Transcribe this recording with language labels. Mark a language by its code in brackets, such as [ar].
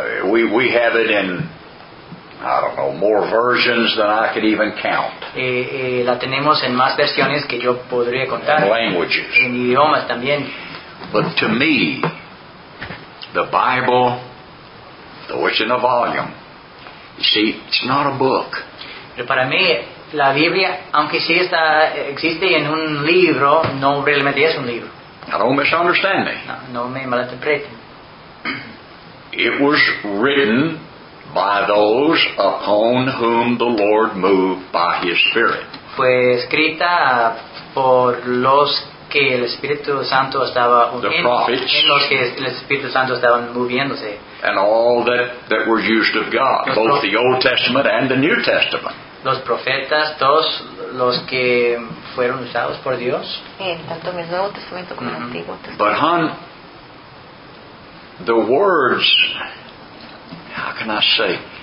[en] We have it in, I don't know, more versions than I could even count. [es] Y la tenemos en más versiones que yo podría contar. [en] In languages. [es] En idiomas también. [en] But to me, the Bible, though it's in a volume, you see, it's not a book. [es] Pero para mí, la Biblia, aunque sí está, existe en un libro, no realmente es un libro. [en] Now don't misunderstand me. [es] No me malinterpreten. [en] It was written by those upon whom the Lord moved by His Spirit. [es] Fue escrita por los que el Espíritu Santo estaba en los que el Espíritu Santo estaba moviéndose. [en] And all that were used of God, both the Old Testament and the New Testament. [es] Los profetas, todos los que fueron usados por Dios. Tanto el Nuevo Testamento como el Antiguo Testamento. [en] But hon, the words, how can I say?